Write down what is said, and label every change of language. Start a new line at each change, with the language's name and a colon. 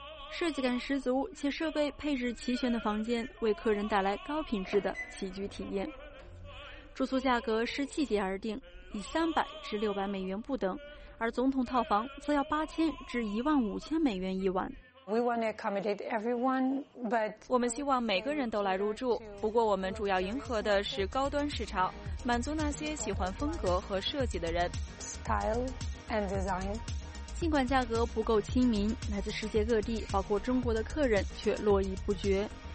Chinese: 设计感十足且设备配置齐全的房间，为客人带来高品质的起居体验。住宿价格是季节而定，以300至600美元不等，而总统套房则要8000至15000美元一晚。
English: We want to accommodate everyone, but
Chinese: 我们希望每个人都来入住。不过，我们主要迎合的是高端市场，满足那些喜欢风格和设计的人。
English: Style and design.
Chinese: 尽管价格不够亲民，来自世界各地，包括中国的客人却络绎不绝。